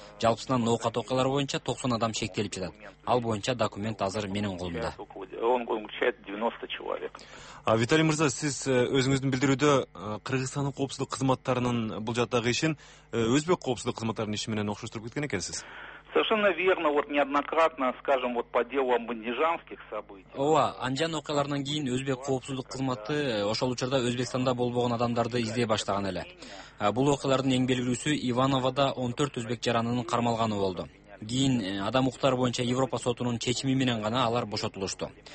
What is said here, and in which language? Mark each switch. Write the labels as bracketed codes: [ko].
[ky] Жалпысынан ноокат окуялары боюнча 90 адам шектелип жатат. Ал боюнча документ азыр менин колумда. А Виталий Мырза, сиз өзүңүздүн билдирүүдө Кыргызстандын коопсуздук кызматтарынын бул жактагы ишин өзбек коопсуздук кызматтарынын иши менен окшоштуруп кеткен экенсиз. [ru] Совершенно верно, вот неоднократно, скажем, вот по делу об Андижанских событиях. [ky] Ооба, Анжан окуяларынан кийин өзбек коопсуздук кызматы ошол учурда Өзбекстанда болбогон адамдарды издей баштаган эле. Бул окуялардын эң белгилүүсү Ивановада 14 өзбек жаранынын кармалганы болду. Кийин адам укуктары боюнча Европа сотунун чечими менен гана алар бошотулушту.